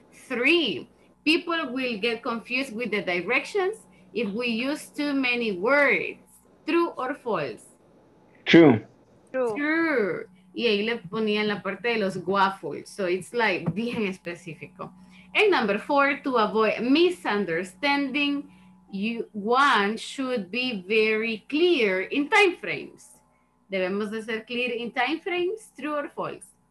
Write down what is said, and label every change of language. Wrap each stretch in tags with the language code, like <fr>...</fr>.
<en>Three, people will get confused with the directions if we use too many words. True or false? True. True.</en> <es>Y ahí le ponían la parte de los waffles.</es> <en>So it's like</en> <es>bien específico.</es> <en>And number four, to avoid misunderstanding, one should be very clear in time frames.</en> <es>Debemos de ser</es> <en>clear in time frames. True or false?</en>